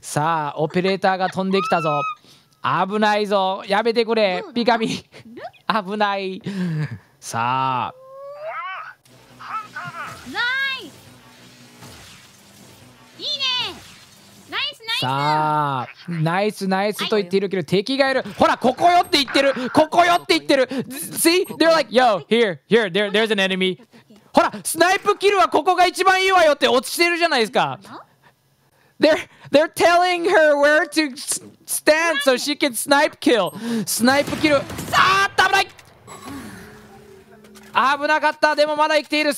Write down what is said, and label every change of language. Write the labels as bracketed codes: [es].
[ja] さあ、オペレーターが飛んできたぞ、危ないぞ、やめてくれピカミー、危ない。さあ、ナイス、いいね、ナイスナさあナイスナイスと言っているけど敵がいる。ほらここよって言ってる、ここよって言ってる。 [en] See? They're like Yo, here, here, there, there's an enemy. [ja] ほらスナイプキルはここが一番いいわよって落ちてるじゃないですか。 [en] They're telling her where to stand so she can snipe kill. スナイプキル。 [ja] さあ、たぶない。危なかった。でもまだ生きている。